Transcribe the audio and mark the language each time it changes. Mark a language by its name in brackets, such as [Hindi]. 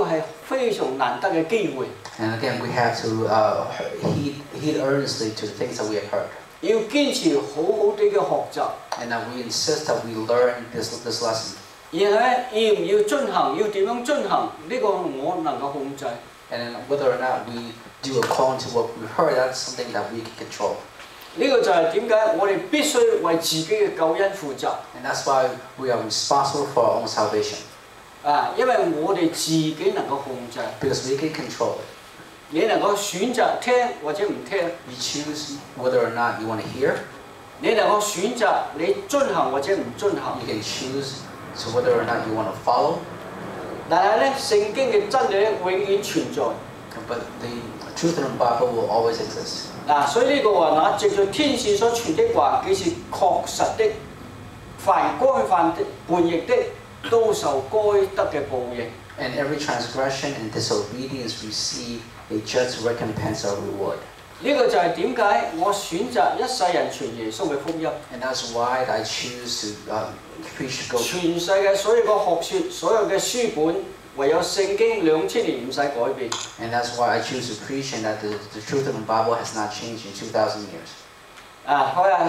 [Chinese] 我们要正中严肃,觉得这个是非常难得的机会。 [English] And again, we have to heed earnestly to the things that we have heard. [Chinese] 要坚持好好地学习。 [English] And we insist that we learn this lesson. [Chinese] 然后要不要遵行,要怎样遵行,这个我能够控制。 [English] And whether or not we do according to what we heard, that's something that we can control. [Chinese] 这个就是为什么我们必须为自己的救恩负责。 [English] And that's why we are responsible for our own salvation. [Chinese] 因为我们自己能够控制。 [English] Because we can control it. [Chinese] 你能够选择听或者不听。 [English] You choose whether or not you want to hear. [Chinese] 你能够选择你遵行或者不遵行。 [English] You can choose so whether or not you want to follow. [Chinese] 但是圣经的真理永远存在。 [English] But the truth in the Bible will always exist. [Chinese] 所以这个说,藉着天使所传的话,既是确实的,凡光凡的,叛逆的。都受该得的报应, [English] and every transgression and disobedience receive a just recompense or reward. [Chinese] 这个就是为什么我选择一世人传耶稣的福音, [English] and that's why I choose to preach the gospel. [Chinese] 全世界所有的学说,所有的书本, 唯有圣经2000年不用改变, [English] and that's why I choose to preach and that the truth of the Bible has not changed in 2000 years.